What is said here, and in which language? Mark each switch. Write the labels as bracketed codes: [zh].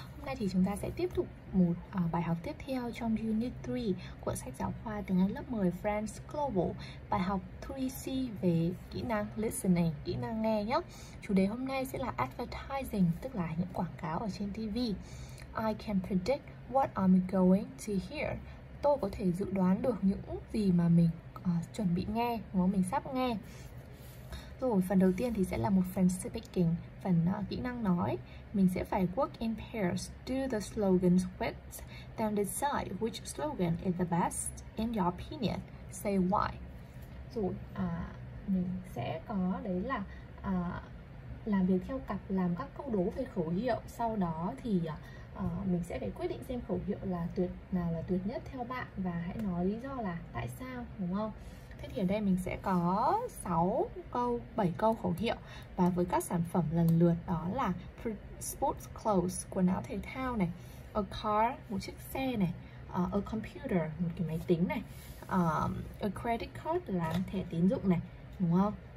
[vi] Hôm nay thì chúng ta sẽ tiếp tục một bài học tiếp theo trong Unit 3 của sách giáo khoa tiếng Anh lớp 10 French Global, bài học 3C về kỹ năng listening, kỹ năng nghe nhé. Chủ đề hôm nay sẽ là advertising, tức là những quảng cáo ở trên TV. [en] I can predict what I'm going to hear. [vi] Tôi có thể dự đoán được những gì mà mình chuẩn bị nghe, mà mình sắp nghe. Rồi, phần đầu tiên thì sẽ là một phần speaking, phần kỹ năng nói. Mình sẽ phải [en] work in pairs, do the slogans with, then decide which slogan is the best in your opinion, say why. [vi] Rồi, mình sẽ có đấy là làm việc theo cặp, làm các câu đố về khẩu hiệu. Sau đó thì mình sẽ phải quyết định xem khẩu hiệu là tuyệt nào là tuyệt nhất theo bạn và hãy nói lý do là tại sao, đúng không? Thế thì ở đây mình sẽ có 6 câu, 7 câu khẩu hiệu và với các sản phẩm lần lượt đó là [en] sports clothes, [vi] quần áo thể thao này, a car, một chiếc xe này, a computer, một cái máy tính này, [en] a credit card [vi] là thẻ tín dụng này, đúng không?